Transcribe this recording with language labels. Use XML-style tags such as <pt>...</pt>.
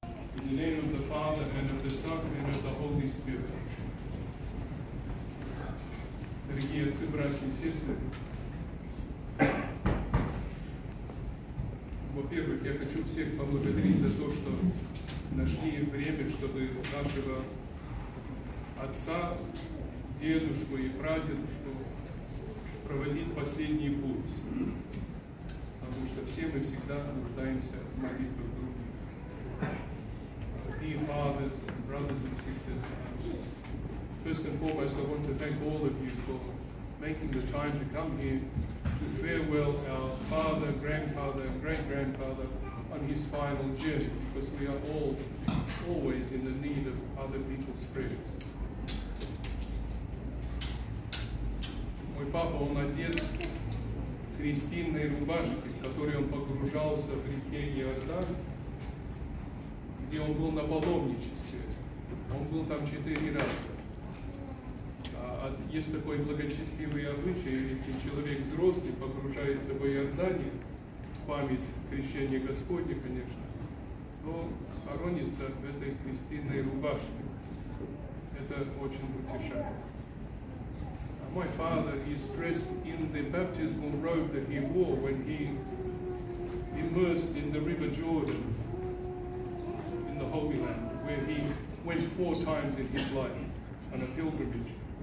<en>In the name of the Father, and of the Son, and of the Holy Spirit.</en> <ru>Дорогие отцы, братья и сестры, во-первых, я хочу всех поблагодарить за то, что нашли время, чтобы нашего отца, дедушку и прадедушку проводить последний путь. Потому что все мы всегда нуждаемся в молитве других.</ru> <en>Dear fathers, brothers and sisters, first and foremost, I want to thank all of you for making the time to come here to farewell our father, grandfather, and great-grandfather on his final journey, because we are all always in the need of other people's prayers.</en> <ru>Мой папа, он одет в крестинной рубашке, в которой он погружался в реке Иордан, где он был на паломничестве. Он был там 4 раза. Есть такой благочестивый обычай, если человек взрослый погружается в Иордане, память крещения Господня, конечно, то хоронится в этой крестинной рубашке. Это очень утешает.</ru> <en>My father is dressed in the baptismal robe that he wore when he immersed in the River Jordan in the Holy Land, where he went 4 times in his life on a pilgrimage.</en>